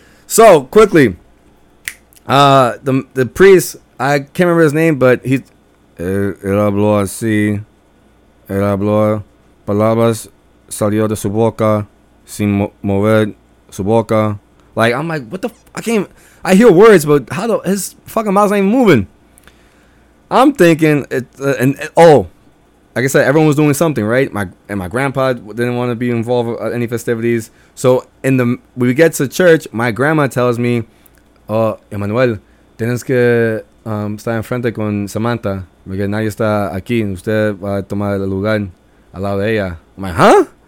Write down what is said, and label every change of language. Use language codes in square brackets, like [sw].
[en] So, quickly, the priest, I can't remember his name, but he... [es] El habló así. El habló palabras salió de su boca sin mover... Suboka. [en] Like, I'm like, what the I can't even, I hear words, but how the his fucking mouth's not even moving. I'm thinking like I said, everyone was doing something, right? My grandpa didn't want to be involved with any festivities. So we get to church, my grandma tells me, [es] Emmanuel, tienes que estar enfrente con Samantha, porque nadie está aquí, usted va a tomar el lugar al lado de ella. [en] I'm like, huh?